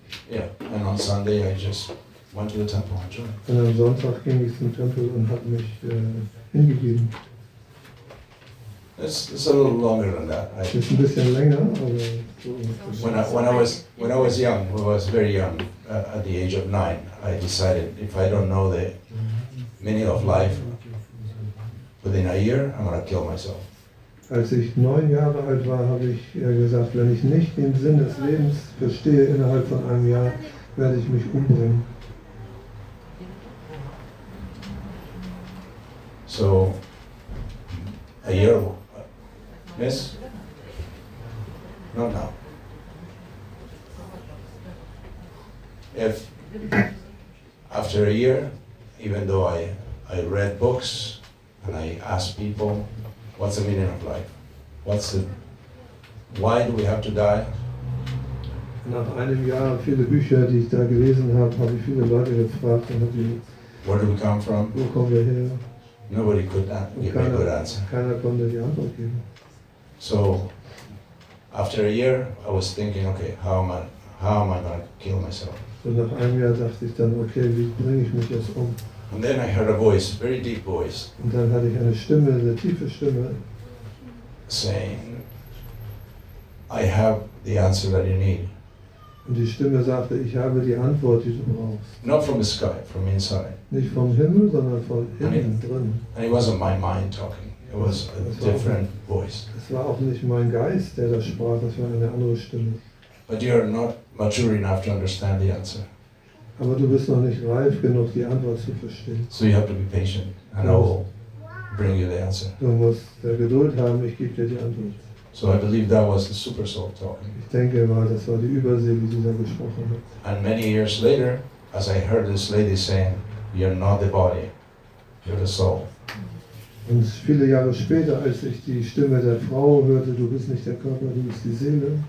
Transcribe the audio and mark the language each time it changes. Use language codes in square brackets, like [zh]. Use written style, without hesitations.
[en] Yeah, and on Sunday I just went to the temple and joined. [de] Und am Sonntag ging ich zum Tempel und habe mich hingegeben. [en] It's a little longer than that. It's a bit longer, but when I was young, when I was very young, at the age of 9, I decided if I don't know the meaning of life within a year, I'm gonna kill myself. Als ich 9 Jahre alt war, habe ich gesagt, wenn ich nicht den Sinn des Lebens verstehe innerhalb von einem Jahr, werde ich mich umbringen. So a year. Yes? Not now. If after a year, even though I read books and I asked people, what's the meaning of life? What's the, why do we have to die? [de] Nach einem Jahr, viele Bücher, die ich da gelesen habe, habe ich viele Leute gefragt. [en] Where do we come from? [de] Wo kommen wir her? [en] Nobody could give me a good answer. [de] Keiner konnte die Antwort geben. [en] So, after a year, I was thinking, okay, how am I going to kill myself? [de] Und nach einem Jahr dachte ich dann, okay, wie bringe ich mich jetzt um? [en] And then I heard a voice, a very deep voice. [de] Und dann hatte ich eine Stimme, eine tiefe Stimme. [en] Saying, I have the answer that you need. [de] Und die Stimme sagte, ich habe die Antwort, die du brauchst. [en] Not from the sky, from inside. [de] Nicht vom Himmel, sondern von innen drin. [en] And it wasn't my mind talking. It was a different voice. [de] Es war auch nicht mein Geist, der das sprach, das war eine andere Stimme. [en] But you are not mature enough to understand the answer. [de] Aber du bist noch nicht reif genug, die Antwort zu verstehen. [en] So you have to be patient, and I will bring you the answer. [de] Du musst Geduld haben, ich gebe dir die Antwort. [en] So I believe that was the super soul talking. [de] Ich denke mal, das war die Überseele, die da gesprochen hat. [en] And many years later, as I heard this lady saying, you're not the body, you're the soul. [de] Und viele Jahre später, als ich die Stimme der Frau hörte, du bist nicht der Körper, du bist die Seele.